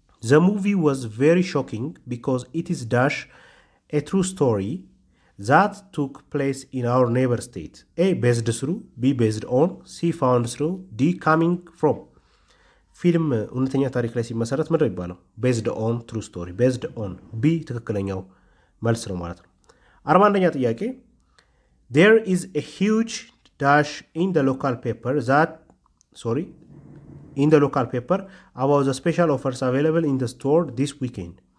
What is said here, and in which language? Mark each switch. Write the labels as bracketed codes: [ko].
[en] The movie was very shocking because it is dash a true story that took place in our neighbor state A based through B based on C found through D coming from [am] ፊልም እውነተኛ ታሪክ ላይ ሲመሰረት ምንድነው ይባላል? [en] Based on true story. Based on B [am] ትክክለኛው መልስ ነው ማለት ነው. 41ኛ ጥያቄ [en] There is a huge dash in the local paper that sorry in the local paper about the special offers available in the store this weekend.